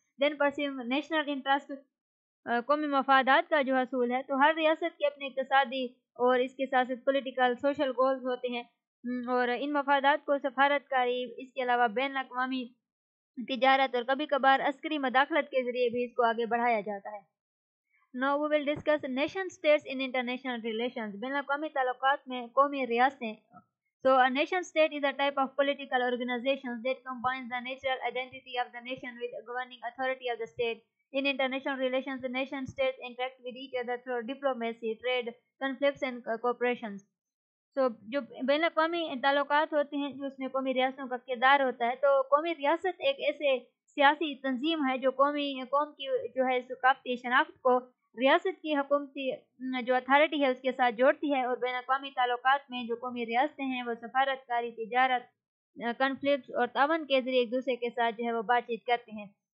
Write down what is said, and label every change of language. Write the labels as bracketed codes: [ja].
[en] then perceive national interest, [ur] قومی مفادات کا جو حصول ہے. تو ہر ریاست کے اپنے اقتصادی اور اس کے ساتھ ساتھ پولیٹیکل سوشل گولز ہوتے ہیں اور ان مفادات کو سفارتکاری, اس کے علاوہ بین الاقوامی تجارت اور کبھی کبھار عسکری مداخلت کے ذریعے بھی اس کو آگے بڑھایا جاتا ہے. [en] Now we will discuss nation states in international relations. [ur] بین الاقوامی تعلقات میں قومی ریاستیں. [en] So a nation state is a type of political organization that combines the natural identity of the nation with the governing authority of the state. In international relations, the nation states interact with each other through diplomacy, trade, conflicts and cooperation. [ur] So جو بین الاقوامی تعلقات ہوتے ہیں جو اس میں قومی ریاستوں کا کردار ہوتا ہے, تو قومی ریاست ایک ایسے سیاسی تنظیم ہے جو قوم کی جو ہے ثقافتی شناخت کو ریاست کی حکومتی جو اتھارٹی ہے اس کے ساتھ جوڑتی ہے. اور بین الاقوامی تعلقات میں جو قومی ریاستیں ہیں وہ سفارتکاری, تجارت, کنفلکٹس اور تعاون کے ذریعے ایک دوسرے کے ساتھ جو ہے وہ بات چیت کرتے ہیں.